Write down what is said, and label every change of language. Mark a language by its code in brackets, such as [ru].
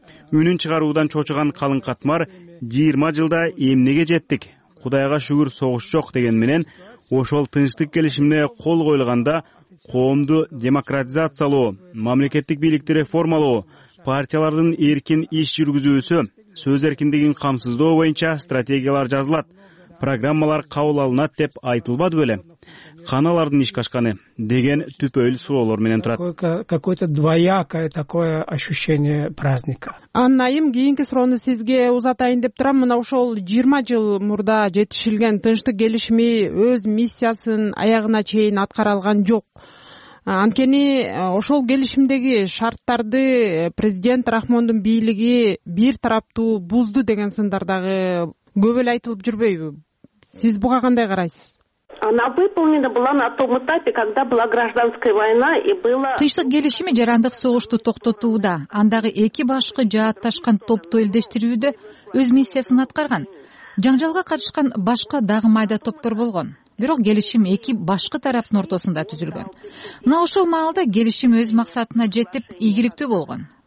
[ky] үнүн чыгаруудан чочуган калың катмар 20 жылда эмнеге жеттик, Кудайга шүгүр согуш жок деген менен ошол тынчтык келишимине кол коюлганда коомду демократизациялоо, мамлекеттик бийликти реформалоо, партиялардын эркин иш жүргүзүүсү, сөз эркиндигин камсыздоо боюнча стратегиялар жазылат, программалар кабыл алынат деп айтылбады беле? Каналардын иш качканы деген түпөйүл суроолор менен турат. [ru] Какое-то двоякое такое ощущение праздника. [ky] Аннайым, кийинки суроону сизге узатайын деп турам. Мына ошол 20 жыл мурда жетишилген тынчтык келишими өз миссиясын аягына чейин аткара алган жок. Анткени ошол келишимдеги шарттарды президент Рахмондун бийлиги бир тараптуу бузду деген сындар дагы көп эле айтылып жүрбөйбү? Сиз буга кандай карайсыз? [ru] Она выполнена была на том этапе, когда была гражданская война и было. [ky] Тыштык келишими жарандык согушту токтотууда, андагы эки башкы жааташкан топту элдештирүүдө өз миссиясын аткарган. Жаңжалга катышкан башка дагы майда топтор болгон. Бирок келишим эки башкы тараптын ортосунда түзүлгөн. Мына ошол маалда келишим өз максатына жетип, ийгиликтүү болгон.